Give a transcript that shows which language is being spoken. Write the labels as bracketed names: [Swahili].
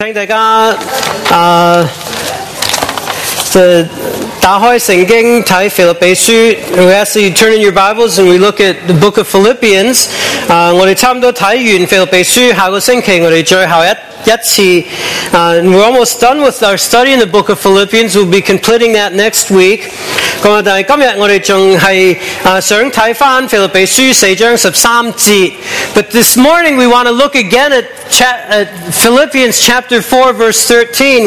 [Cantonese] 请大家打开圣经睇腓立比书。 [English] We ask you to turn in your Bibles and we look at the book of Philippians。 [Cantonese] 我哋差唔多睇完腓立比书，下个星期我哋最后一次。 [English] We're almost done with our study in the book of Philippians. We'll be completing that next week。 [Cantonese] 咁但系今日我哋仲系想睇翻腓立比书4:13。 [English] But this morning we want to look again at Philippians chapter 4 verse 13.